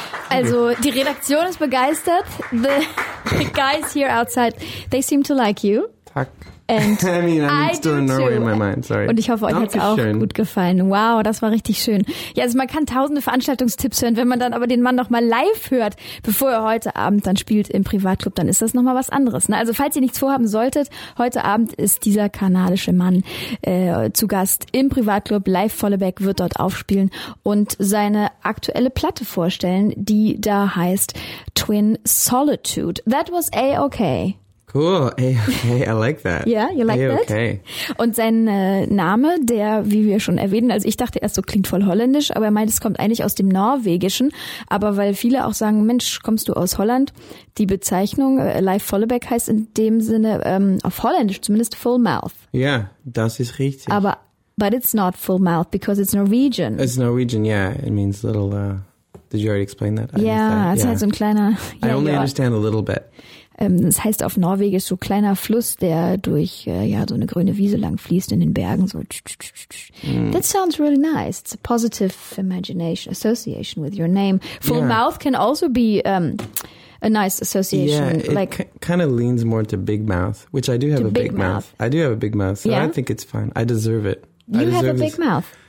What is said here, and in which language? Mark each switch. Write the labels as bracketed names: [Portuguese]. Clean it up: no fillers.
[German] Also, die Redaktion ist begeistert. [English] The guys here outside, they seem to like you. [German] Tack. Und ich hoffe, euch hat es auch gut gefallen. Wow, das war richtig schön. Ja, also man kann tausende Veranstaltungstipps hören. Wenn man dann aber den Mann nochmal live hört, bevor er heute Abend dann spielt im Privatclub, dann ist das nochmal was anderes. Ne? Also falls ihr nichts vorhaben solltet, heute Abend ist dieser kanadische Mann zu Gast im Privatclub. Live Vollebeck wird dort aufspielen und seine aktuelle Platte vorstellen, die da heißt Twin Solitude. [English] That was A-OK. Cool, hey, I like that. Yeah, you like A-OK. That? [German] Und sein Name, der, wie wir schon erwähnen, also ich dachte erst, so klingt voll holländisch, aber er meint, es kommt eigentlich aus dem Norwegischen. Aber weil viele auch sagen, Mensch, kommst du aus Holland? Die Bezeichnung Live Vollebeck heißt in dem Sinne, auf Holländisch zumindest, Full Mouth. Ja, das ist richtig. Aber [English] but it's not full mouth because it's Norwegian. It's Norwegian, yeah. It means little. Did you already explain that? I only understand a little bit. [German] Das heißt auf Norwegisch so kleiner Fluss, der durch ja so eine grüne Wiese lang fließt in den Bergen. [English] So. That sounds really nice. It's a positive imagination association with your name. Full mouth can also be a nice association. Yeah, it kind of leans more to big mouth, which I do have a big mouth. I do have a big mouth, so I think it's fine. I deserve it. You have a big mouth.